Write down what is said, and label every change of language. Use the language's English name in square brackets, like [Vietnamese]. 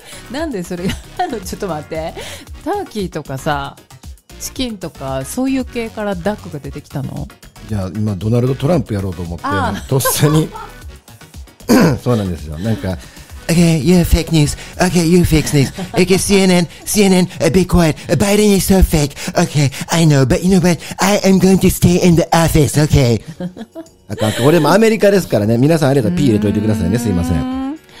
[Japanese] なんでそれがあの、ちょっと待って。ターキーとかさ、チキンとかそういう系からダックが出てきたの？いや、今ドナルド・トランプやろうと思って、ああとっさにそうなんですよ、なんか [English] Okay, you're fake news. Okay, you fix news. Okay, CNN, CNN, be quiet. Biden is so fake. Okay, I know, but you know what? I am going to stay in the office, okay? [Japanese] なんか俺もアメリカですからね、皆さんあれだP入れといてくださいね、すいません。